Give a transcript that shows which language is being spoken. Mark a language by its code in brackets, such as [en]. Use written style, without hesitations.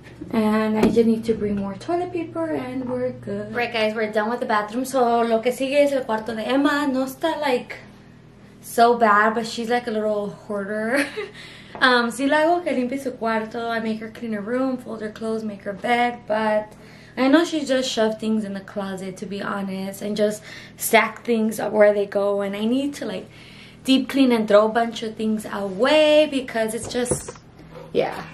[en] And I just need to bring more toilet paper and we're good. Right, guys, we're done with the bathroom. [es] So lo que sigue es el cuarto de Emma. No está [en] like so bad, but she's like a little hoarder. [es] Si la hago que limpie su cuarto, [en] I make her clean her room, fold her clothes, make her bed, but I know she just shoved things in the closet, to be honest, and just stack things up where they go, and I need to like deep clean and throw a bunch of things away because it's just, yeah,